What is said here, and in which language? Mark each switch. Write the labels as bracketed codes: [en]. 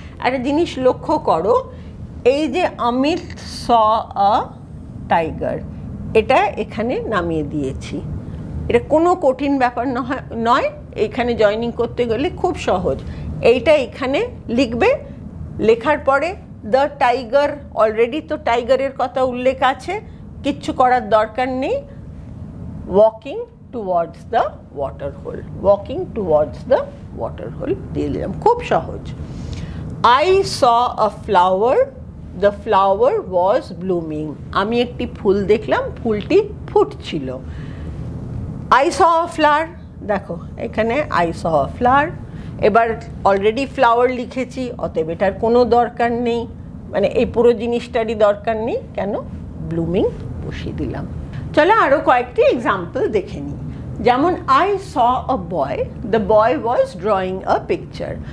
[bn] একটা জিনিস লক্ষ্য করো, এই যে অমিত স আ টাইগার এটা এখানে নামিয়ে দিয়েছি, এটা কোনো কঠিন ব্যাপার নয়, এখানে জয়েনিং করতে গেলে খুব সহজ, এইটা এখানে লিখবে, লেখার পরে দ্য টাইগার, অলরেডি তো টাইগারের কথা উল্লেখ আছে, কিচ্ছু করার দরকার নেই, [en] walking towards the water hole. Walking towards the water hole. [bn] দিয়ে দিলাম, খুব সহজ. [en] I saw a flower. The flower was blooming. [bn] আমি একটি ফুল দেখলাম, ফুলটি ফুটছিল. [en] I saw a flower. [bn] দেখো এখানে [en] I saw a flower. [bn] এবার অলরেডি ফ্লাওয়ার লিখেছি, অতএব এটার কোনো দরকার নেই, মানে এই পুরো জিনিসটারই দরকার নেই, কেন ব্লুমিং বসিয়ে দিলাম. চলো আরও কয়েকটি এক্সাম্পল দেখে নিই. যেমন [en] I saw a boy, the boy was drawing a picture.